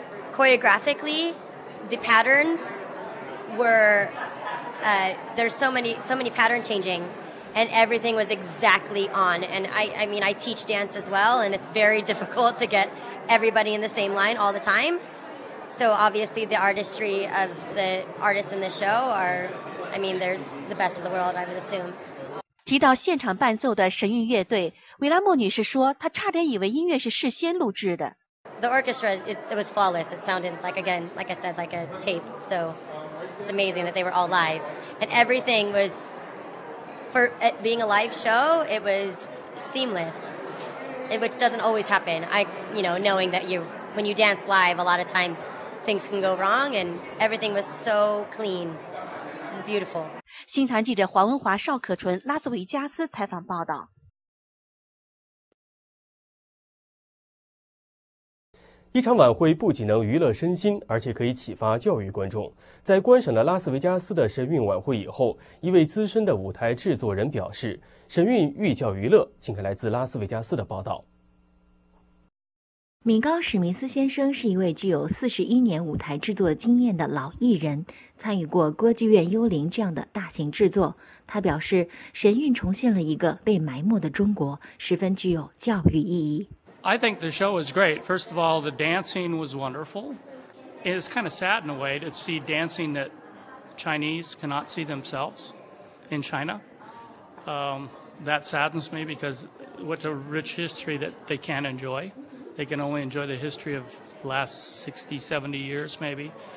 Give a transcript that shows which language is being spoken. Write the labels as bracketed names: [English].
[English] Choreographically, the patterns were, there's so many pattern changing, and everything was exactly on. And I mean, I teach dance as well, and it's very difficult to get everybody in the same line all the time. So obviously the artistry of the artists in the show are, I mean, they're the best of the world, I would assume. [Chinese] 提到现场伴奏的神韵乐队，维拉莫女士说，她差点以为音乐是事先录制的。 [English] The orchestra, it was flawless. It sounded like a tape. So it's amazing that they were all live. And everything was, for it being a live show, it was seamless. Which doesn't always happen. Knowing that when you dance live, a lot of times things can go wrong. And everything was so clean. This is beautiful. [Chinese] 新唐记者黄文华、邵可纯，拉斯维加斯采访报道。一场晚会不仅能娱乐身心，而且可以启发教育观众。在观赏了拉斯维加斯的神韵晚会以后，一位资深的舞台制作人表示，神韵寓教于乐。请看来自拉斯维加斯的报道。米高·史密斯先生是一位具有41年舞台制作经验的老艺人，参与过歌剧院幽灵这样的大型制作。他表示，神韵重现了一个被埋没的中国，十分具有教育意义。 [English] I think the show was great. First of all, the dancing was wonderful. It's kind of sad in a way to see dancing that Chinese cannot see themselves in China. That saddens me because what's a rich history that they can't enjoy. They can only enjoy the history of the last 60, 70 years maybe.